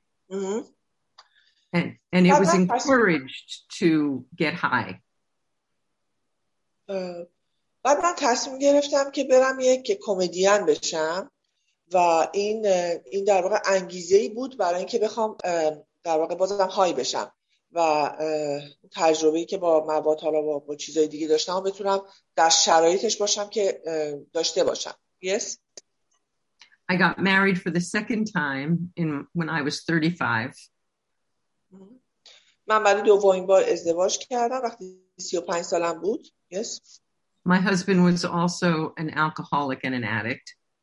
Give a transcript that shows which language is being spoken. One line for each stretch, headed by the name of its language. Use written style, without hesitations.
English: And it was encouraged to get high.
Persian: بعد من تصمیم گرفتم که برم یک کمدین بشم و این در واقع انگیزه ای بود برای اینکه بخوام در واقع بازم های بشم و تجربه‌ای که با مواد حالا با چیزای دیگه داشتم بتونم در شرایطش باشم که داشته باشم.
English: Yes. I got married for the second time when I was 35.
Persian: من برای دومین بار ازدواج کردم وقتی 35 سالم بود.
English: Yes. My husband was also an alcoholic and an addict.